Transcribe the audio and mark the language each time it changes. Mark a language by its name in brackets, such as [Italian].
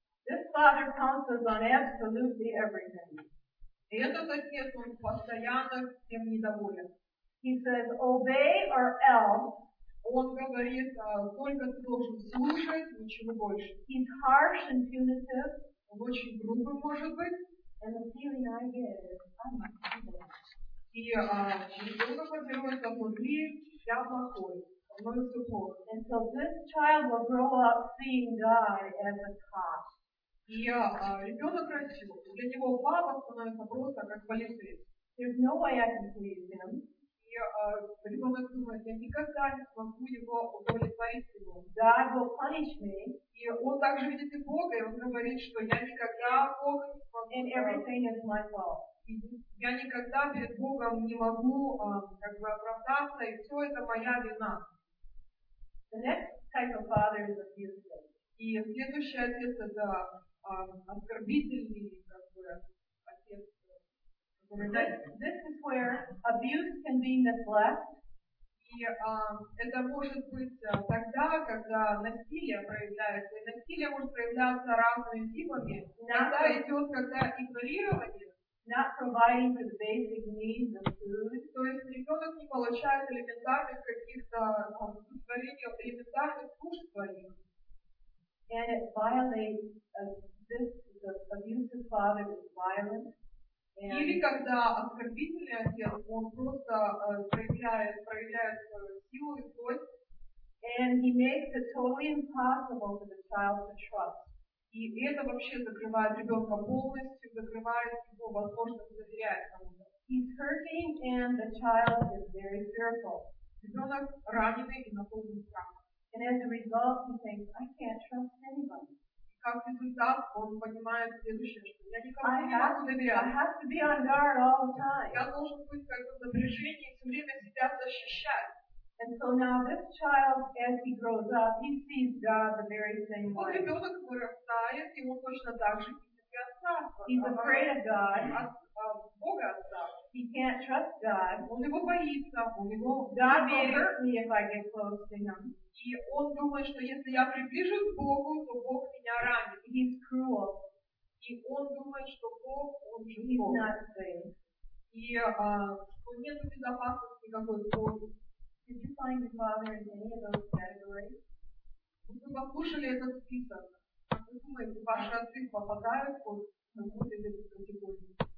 [English] This father counts on absolutely everything. [Russian] Этот отец, он постоянно всем недоволен. [English] He says, obey or else. [Russian] Он говорит, только ты должен слушать, ничего больше. [English] He's harsh and punitive. [Russian] Он очень грубый может быть. [English] And the feeling I get is, I'm not [Russian] good. И ребенок формируется внутри, я плохой. Он говорит, все плохо. [English] And so this child will grow up seeing God as a cop. [Russian] И ребенок растет. Для него папа становится просто как полицейский. [English] There's no way I can please him. [Russian] Ребенок думает, я никогда не смогу его удовлетворить ему. [English] God will punish me. [Russian] И он также видит и Бога, и он говорит, что я никогда Бога не смогу. [English] And everything is my fault. [Russian] Я никогда перед Богом не могу как бы оправдаться, и все это моя вина. [English] The next type of father is abusive. [Russian] И следующий отец – это оскорбительный, как бы, отец. [English] This is where abuse can be neglect. [Russian] И это может быть тогда, когда насилие проявляется. И насилие может проявляться разными типами. Иногда идет, когда игнорирование. [English] Not providing the basic needs of food. [Russian] То есть ребенок не получает элементарных каких-то удовлетворений, элементарных нужд своих. [English] And it violates, this, the abusive father is violent. [Russian] Или когда оскорбительный отец, он просто проявляет свою силу и злость. [English] And he makes it totally impossible for the child to trust. [Russian] И это вообще закрывает ребенка полностью, закрывает его возможность доверять кому-то. [English] He's hurting and the child is very fearful. [Russian] Ребенок раненый и наполнен страхом. [English] And as a result, he thinks, I can't trust anybody. [Russian] Как результат, он понимает следующее, что я никому не могу доверять. [English] I have to be on guard all the time. [Russian] Я должен быть как бы в напряжении и все время себя защищать. [English] And so now this child, as he grows up, he sees God the very same way. [Russian] Вот ребенок вырастает, ему точно так же видит и отца. [English] He's afraid of God. [Russian] Бога отца. [English] He can't trust God. [Russian] Он его боится, он его... [English] God hurts me if I get close to him. [Russian] И он думает, что если я приближусь к Богу, то Бог меня ранит. [English] He's cruel. [Russian] И он думает, что Бог, он же [English] He's [Russian] Бог. [English] Not safe. [Russian] И что нет безопасности никакой в Боге. [English] Did you find your father in any of those categories? [Russian] Вы послушали этот список. Вы думаете, ваши отцы попадают под какую-то из этих категорий?